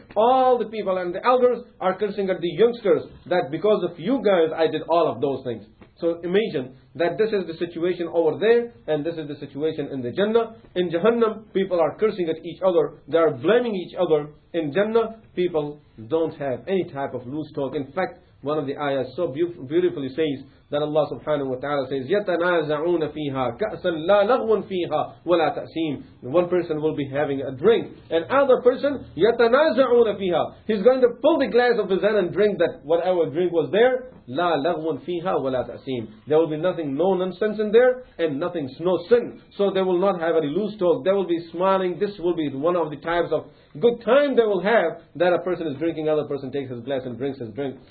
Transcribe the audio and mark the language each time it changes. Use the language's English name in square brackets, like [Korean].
[English] All the people and the elders are cursing at the youngsters. That because of you guys I did all of those things. So imagine that this is the situation over there and this is the situation in the Jannah. In Jahannam, people are cursing at each other. They are blaming each other. In Jannah, people don't have any type of loose talk. In fact, one of the ayahs so beautifully says Then Allah subhanahu wa ta'ala says, [Arabic] يَتَنَازَعُونَ فِيهَا كَأْسًا لَا لَغْوٌ فِيهَا وَلَا تَأْسِيمٌ. [English] One person will be having a drink. And other person, [Arabic] يَتَنَازَعُونَ فِيهَا. [English] He's going to pull the glass of his hand and drink that whatever drink was there. [Arabic] لَا لَغْوٌ فِيهَا وَلَا تَأْسِيمٌ. [English] There will be nothing, no nonsense in there, and nothing, no sin. So they will not have any loose talk. They will be smiling. This will be one of the types of good time they will have, that a person is drinking, other person takes his glass and drinks his drink.